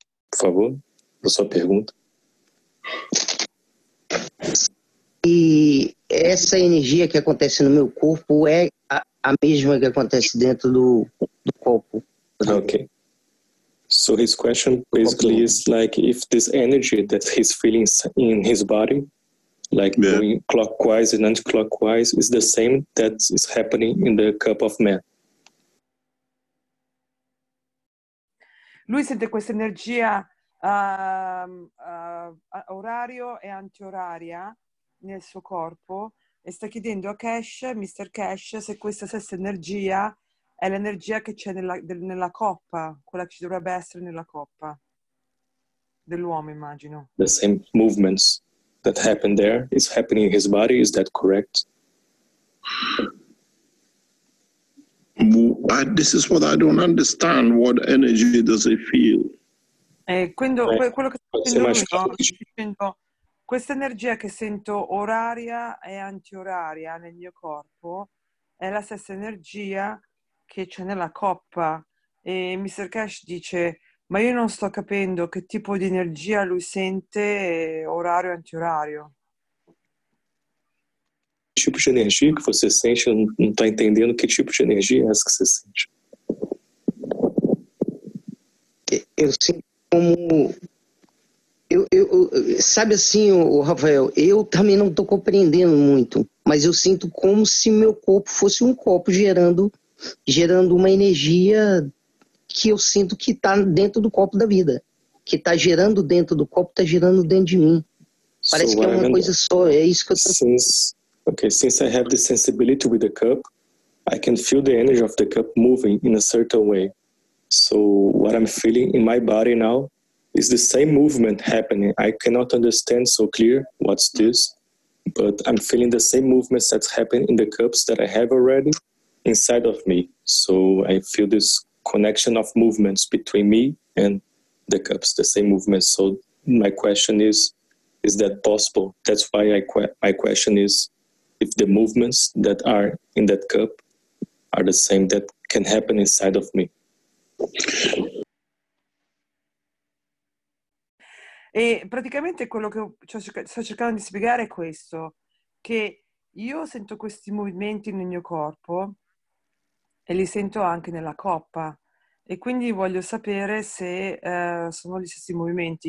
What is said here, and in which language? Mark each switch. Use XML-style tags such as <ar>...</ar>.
<pt>Por favor, a sua pergunta. E essa energia que acontece no meu corpo é a mesma que acontece dentro do corpo? Ok.</pt> <en>So his question basically is like if this energy that he's feeling in his body, like yeah, going clockwise and anti-clockwise, is the same that is happening in the cup of man.</en> <it>Lui sente questa energia orario e anti-oraria nel suo corpo e sta chiedendo a Cash, Mr. Cash, se questa stessa energia è l'energia che c'è nella coppa, quella che ci dovrebbe essere nella coppa dell'uomo, immagino.</it> <en>The same movements that happened there is happening in his body, is that correct? This is what I don't understand. What energy does he feel?</en> <it>Quando quello che sto dicendo, questa energia che sento oraria e antioraria nel mio corpo è la stessa energia che c'è nella coppa. E Mr. Cash dice: ma io non sto capendo che tipo di energia lui sente, orario e antiorario. Che tipo di energia che</it> <pt>você sente?</pt> <it>Eu não tô entendendo che tipo di energia é essa che você sente.</it> <pt>Eu sinto como... sabe assim, Rafael, eu também não tô compreendendo muito, mas eu sinto como se meu corpo fosse copo gerando uma energia que eu sinto que está dentro do copo da vida, que está gerando dentro do copo, está gerando dentro de mim. Parece que é uma coisa só, é isso que eu estou sentindo.</pt> <en>Okay, since I have the sensibility with the cup, I can feel the energy of the cup moving in a certain way. So what I'm feeling in my body now is the same movement happening. I cannot understand so clear what's this, but I'm feeling the same movements that's happened in the cups that I have already inside of me. So I feel this connection of movements between me and the cups, the same movement. So my question is that possible? That's why my question is if the movements that are in that cup are the same that can happen inside of me.</en> <it>E praticamente quello che sto cercando di spiegare è questo, che io sento questi movimenti nel mio corpo e li sento anche nella coppa. E quindi voglio sapere se sono gli stessi movimenti.</it>